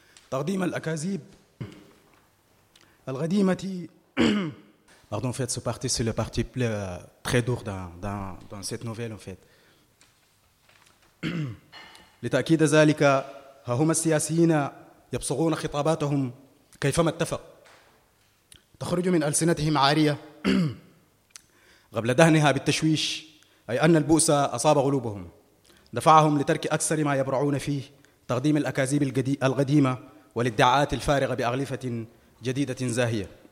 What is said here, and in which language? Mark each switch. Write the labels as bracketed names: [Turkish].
[Arabic] تقديم الأكاذيب القديمة. [French] Pardon, en fait, ce parti, c'est le parti très dur dans cette nouvelle, en fait. [Arabic] لتأكيد ذلك هم السياسيين يبصغون خطاباتهم كيفما اتفق تخرج من ألسنتهم عارية قبل دهنها بالتشويش أي أن البؤس أصاب قلوبهم دفعهم لترك أكثر ما يبرعون فيه تقديم الأكاذيب القديمة والادعاءات الفارغة بأغلفة جديدة زاهية